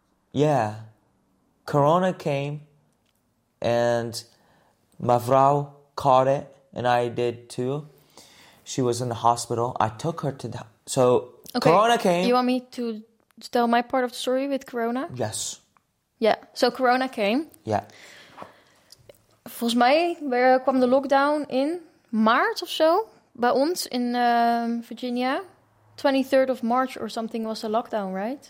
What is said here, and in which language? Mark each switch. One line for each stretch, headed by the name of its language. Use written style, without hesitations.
English: Yeah. Corona came. And my vrouw caught it. And I did too. She was in the hospital. I took her to the... So, Corona came. You want me to tell my part of the story with Corona? Yes. Yeah. So, Corona came. Yeah.
Dutch: Volgens mij kwam de lockdown in maart of zo. Bij ons in Virginia.
English: 23rd of March or something was the lockdown, right?